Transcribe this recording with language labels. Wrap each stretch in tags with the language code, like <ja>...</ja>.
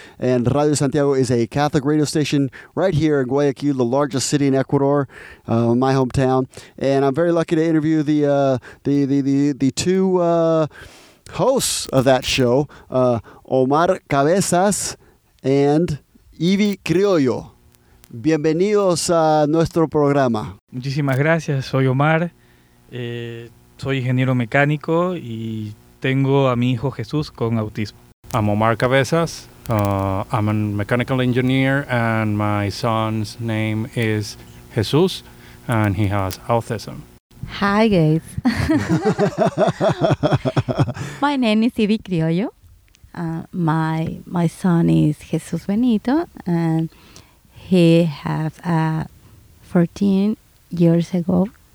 <en>And Radio Santiago is a Catholic radio station right here in Guayaquil, the largest city in Ecuador, my hometown. And I'm very lucky to interview the two hosts of that show, Omar Cabezas and Ivy Criollo.</en> <es>Bienvenidos a nuestro programa. Muchísimas gracias. Soy Omar. Soy ingeniero mecánico y tengo a mi hijo Jesús con autismo.</es> <en>I'm Omar Cabezas. I'm a mechanical engineer and my son's name is Jesús and he has autism. Hi, guys. My name is Ivy Criollo. My son is Jesús Benito and he has 14 years ago.</en>